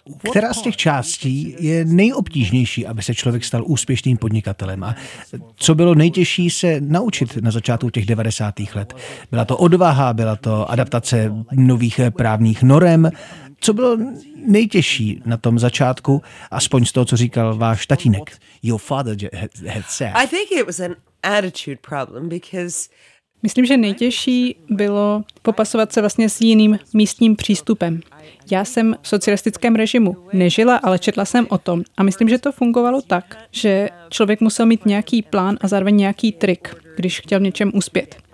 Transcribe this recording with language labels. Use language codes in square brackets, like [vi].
[cs] Která z těch částí je nejobtížnější, aby se člověk stal úspěšným podnikatelem? A co bylo nejtěžší se naučit na začátku těch 90. let? Byla to odvaha, byla to adaptace nových právních norem? Co bylo nejtěžší na tom začátku, aspoň z toho, co říkal váš tatínek? [en] Your father had said. I think it was an attitude problem because [cs] Myslím, že nejtěžší bylo popasovat se vlastně s jiným místním přístupem. Já jsem v socialistickém režimu nežila, ale četla jsem o tom. A myslím, že to fungovalo tak, že člověk musel mít nějaký plán a zároveň nějaký trik, když chtěl v něčem uspět.